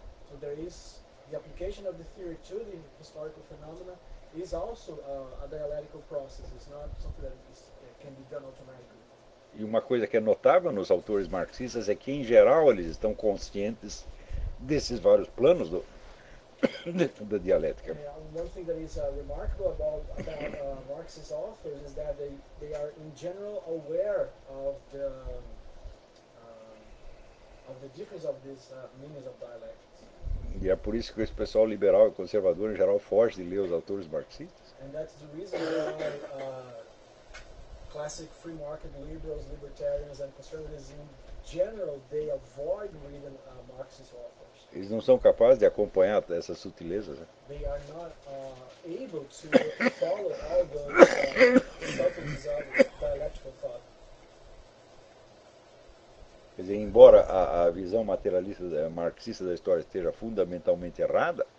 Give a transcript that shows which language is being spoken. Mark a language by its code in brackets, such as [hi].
[en] So there is the application of the theory to the historical phenomena is also a dialectical process. It's not something that can be done automatically. [pt] E uma coisa que é notável nos autores marxistas é que, em geral, eles estão conscientes desses vários planos da dialética. Uma coisa que é [en] remarkable about Marx's authors is that they are in general aware of the difference of these meanings of dialectics. [pt] E é por isso que esse pessoal liberal e conservador em geral foge de ler os autores marxistas. [en] And that's the reason why classic free market liberals, libertarians and conservatives in general, they avoid reading Marx's authors. [pt] Eles não são capazes de acompanhar essas sutilezas. [en] They are not able to follow all the subtleties of [pt] embora a visão materialista marxista da história esteja fundamentalmente errada,